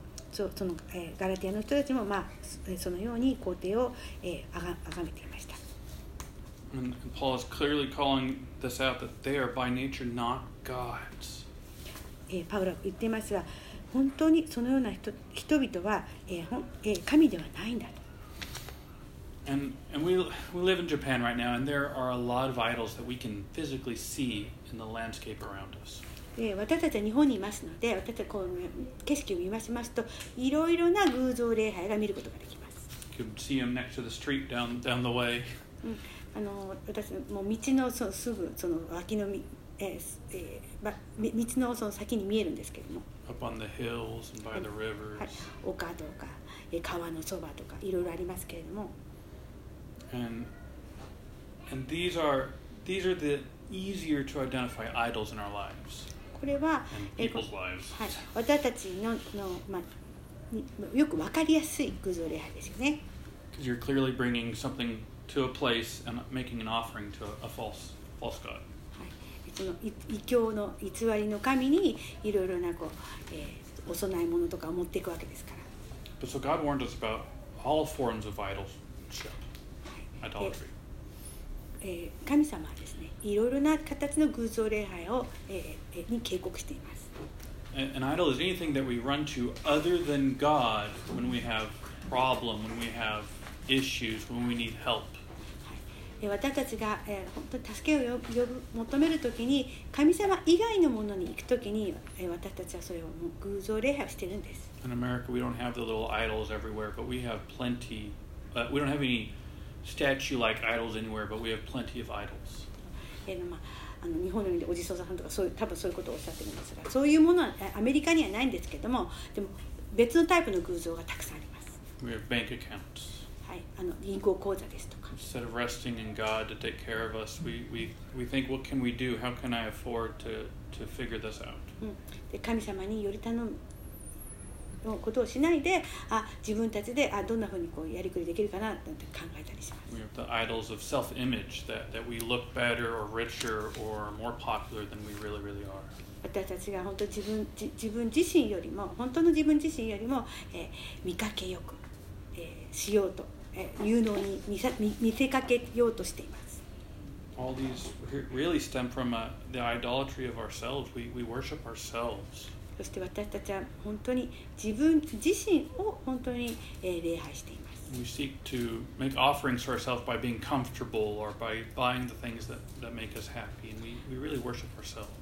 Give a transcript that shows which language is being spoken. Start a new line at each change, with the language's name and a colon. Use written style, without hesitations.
Japanese: その、ガラティアの人たちも、まあ、そのように皇帝を、崇めていました。
English: And Paul is clearly calling this out that they are by nature not gods.
Japanese: パウロは言っていますが、本当にそのような 人々は、神ではないんだと。
English: And we live in Japan right now, and there are a lot of idols that we can physically see in the landscape around us.
Japanese: 私たちは日本にいますので、私たちこう景色を見ましますと、いろいろな偶像礼拝が見ることができます。
English: You can see them next to the street down the way.
Japanese: 私も道のそすぐその脇の道のその先に見えるんですけども。
English: Up on the hills and by the rivers.
Japanese: 丘とか川のそばとかいろいろありますけれども。
English: And these are the easier to identify idols in our lives.
Japanese: これは
English: people's lives.
Japanese: はい、私たちの、まあ、よく分かりやすい偶像礼拝ですよね。
English: Because you're clearly bringing something to a place and making an offering to a false god.
Japanese: その異教の偽りの神にいろいろなこう、お供え物とかを持っていくわけですから。
English: But so God warned us about all forms of idolship, idolatry.
Japanese: 神様はですね、いろいろな形の偶像礼拝を、に警告しています。
English: An idol is anything that we run to other than God when we have problem, when we have issues, when we need help.
Japanese: 私たちが、本当に助けを呼ぶ求めるときに神様以外のものに行くときに、私たちはそれを偶像礼拝をしているんです。
English: In America, we don't have the little idols everywhere, but we have plenty. We don't have any statue-like idols anywhere, but we have plenty of idols.
Japanese: 日本の国でお地蔵さんとかそういう多分そういうことをおっしゃってるんですが、そういうものはアメリカにはないんですけども、でも別のタイプの偶像がたくさんあります。
English: We have bank accounts.
Japanese: はい、銀行口座ですとか。
English: Instead of resting in God to take care of us, we think, what can we do? How can I afford to figure this out?、
Japanese: で、神様により頼むのことをしないで、自分たちで、どんなふうにこうやりくりできるかななんて考えたりします。
English: We have the idols of self-image that we look better or richer or more popular than we really, really are.
Japanese: 私たちが本当自分自身よりも、本当の自分自身よりも、見かけよく。しようと、有能に見せかけようとしています。
English: All these really stem from the idolatry of ourselves. We worship ourselves.
Japanese: そして私たちは本当に自分自身を本当に、礼拝しています。
English: We seek to make offerings to ourselves by being comfortable or by buying the things that make us happy, and we really worship ourselves.